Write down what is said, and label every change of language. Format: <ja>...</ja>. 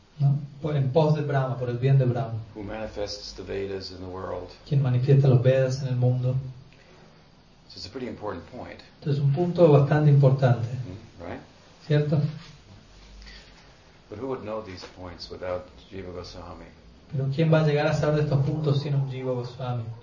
<es>No, por en pos de Brahma, por el bien de Brahma.</es> <en>Who manifests the Vedas in the world.</en> <es>Quien manifiesta los Vedas en el mundo.</es> <en>So it's a pretty important point.</en> <es>Entonces es un punto bastante importante.</es> <en>Right?</en> <es>¿Cierto?</es> <en>But who would know these points without Jiva Goswami?</en> <es>Pero ¿quién va a llegar a saber de estos puntos sin un Jiva Goswami?</es>